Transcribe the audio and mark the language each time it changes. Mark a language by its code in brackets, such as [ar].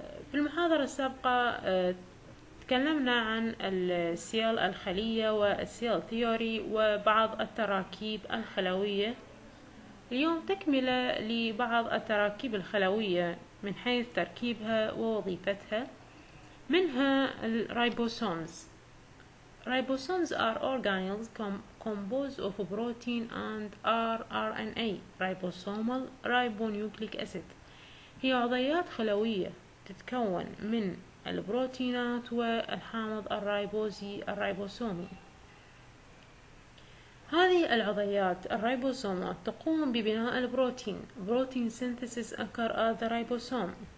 [ar] في المحاضرة السابقة تكلمنا عن السيل الخلية والسيل ثيوري وبعض التراكيب الخلوية. اليوم تكملة لبعض التراكيب الخلوية من حيث تركيبها ووظيفتها، منها الريبوسومز. [en] Ribosomes are organelles composed of protein and RNA. Ribosomal ribonucleic acid [ar] هي عضيات خلوية تتكون من البروتينات والحامض الريبوزي الريبوسومي. هذه العضيات الريبوسومات تقوم ببناء البروتين [en] protein synthesis occur at the ribosome.